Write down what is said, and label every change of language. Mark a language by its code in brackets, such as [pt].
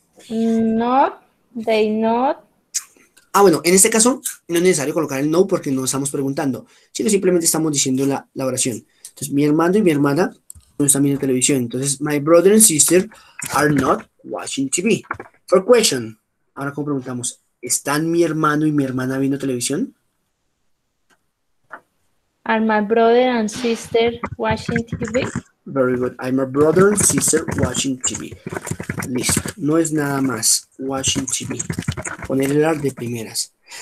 [en] No. They not. [es] Ah, bueno, en este caso no es necesario colocar el no porque no estamos preguntando, sino simplemente estamos diciendo la oración. Entonces, mi hermano y mi hermana no están viendo televisión. Entonces, [en] my brother and sister are not watching TV. For question. [es] Ahora, ¿cómo preguntamos? ¿Están mi hermano y mi hermana viendo televisión? [en] Are my brother and sister watching TV? Very good. I'm a brother and sister watching TV. [es] Listo. No es nada más [en] watching TV. [es] Poner el ar de primeras.